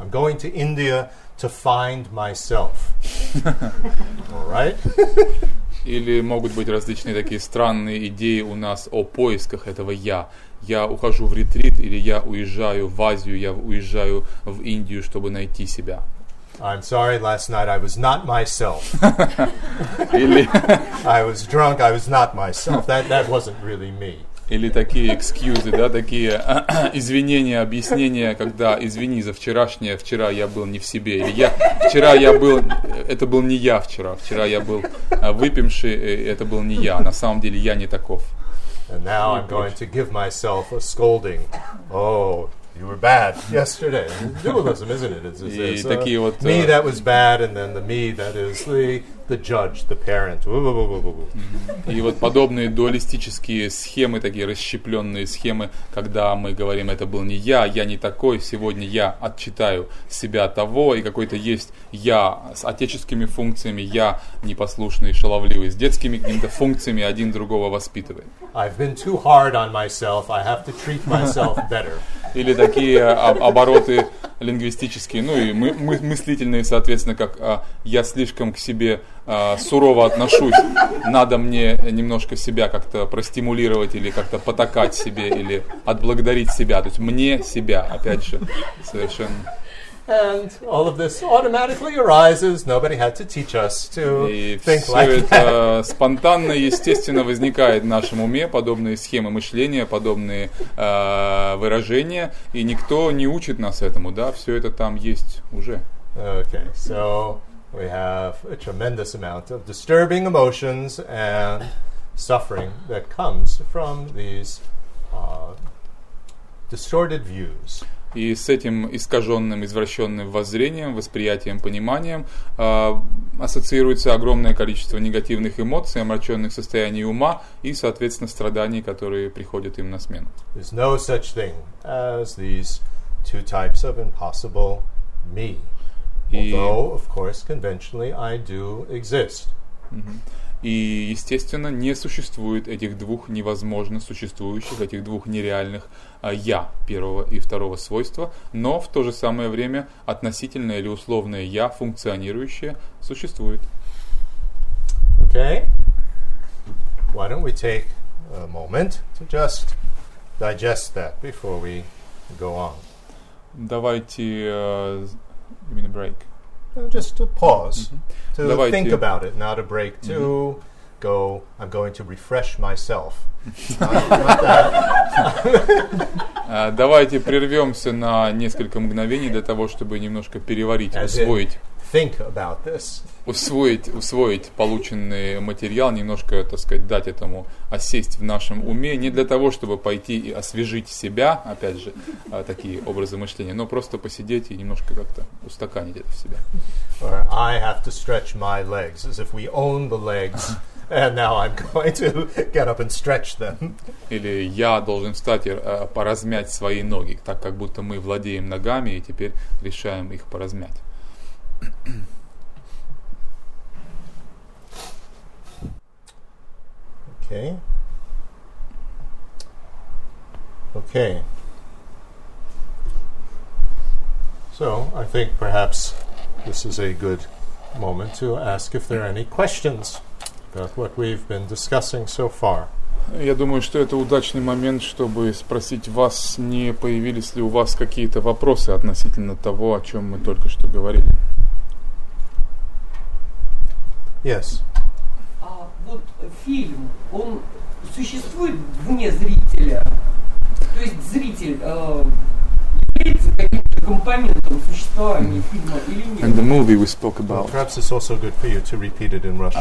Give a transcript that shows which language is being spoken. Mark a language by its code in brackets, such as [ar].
[en] I'm going to India to find myself. All right? [ru] Или могут быть различные такие странные идеи у нас о поисках этого «я». Я ухожу в ретрит, или я уезжаю в Азию, я уезжаю в Индию, чтобы найти себя. [en] I'm sorry, last night I was not myself. [ru] Или... [en] I was drunk, I was not myself. That wasn't really me. [ru] Или такие excuses, да, такие извинения, объяснения, когда извини за вчерашнее, вчера я был не в себе. Или я, вчера я был, это был не я вчера, вчера я был выпивший, это был не я. На самом деле я не таков. [en] And now I'm going to give myself a scolding. Oh, you were bad yesterday. Dualism, isn't it? Me that was bad, and then the me that is the judge, the parent. [ru] И вот подобные дуалистические схемы, такие расщепленные схемы, когда мы говорим, это был не я, я не такой, сегодня я отчитаю себя того, и какой-то есть я с отеческими функциями, я непослушный, шаловливый, с детскими какими-то функциями, один другого воспитывает. [en] I've been too hard on myself, I have to treat myself better. [ru] Или такие обороты лингвистические, ну и мыслительные, соответственно, как я слишком к себе сурово отношусь, надо мне немножко себя как-то простимулировать или как-то потакать себе, или отблагодарить себя, то есть мне себя, опять же, совершенно. [en] And all of this automatically arises, нobody had to teach us to think like that. [ru] И все это спонтанно, естественно, возникает в нашем уме, подобные схемы мышления, подобные выражения, и никто не учит нас этому, да, все это там есть уже. [en] Okay, so we have a tremendous amount of disturbing emotions and suffering that comes from these distorted views. [ru] И с этим искаженным, извращенным воззрением, восприятием, пониманием ассоциируется огромное количество негативных эмоций, омраченных состояний ума и, соответственно, страданий, которые приходят им на смену. [en] There's no such thing as these two types of impossible me. Although, of course, conventionally I do exist. [ru] И, естественно, не существует этих двух невозможно существующих, этих двух нереальных «я» первого и второго свойства, но в то же самое время относительное или условное «я», функционирующее, существует. [en] Okay. Why don't we take a moment to just digest that before we go on? [ru] Давайте... [en] you mean a break? Just a pause. To [ru] Давайте. [en] Think about it, not a break, to go, I'm going to refresh myself. [ru] Давайте прервемся на несколько мгновений для того, чтобы немножко переварить, усвоить полученный материал, немножко, так сказать, дать этому осесть в нашем уме, не для того, чтобы пойти и освежить себя, опять же, такие образы мышления, но просто посидеть и немножко как-то устаканить это в себе. [en] Or I have to stretch my legs, as if we own the legs, and now I'm going to get up and stretch them. [ru] Или я должен встать и поразмять свои ноги, так как будто мы владеем ногами и теперь решаем их поразмять. [en] Okay. So, I think perhaps this is a good moment to ask if there are any questions about what we've been discussing so far. [ru] Я думаю, что это удачный момент, чтобы спросить вас, не появились ли у вас какие-то вопросы относительно того, о чем мы только что говорили. [en] Yes. [ru] А вот фильм, он существует вне зрителя? То есть зритель является каким-то компонентом существования фильма или нет? [en] And the movie we spoke about. Well, perhaps it's also good for you to repeat it in Russian.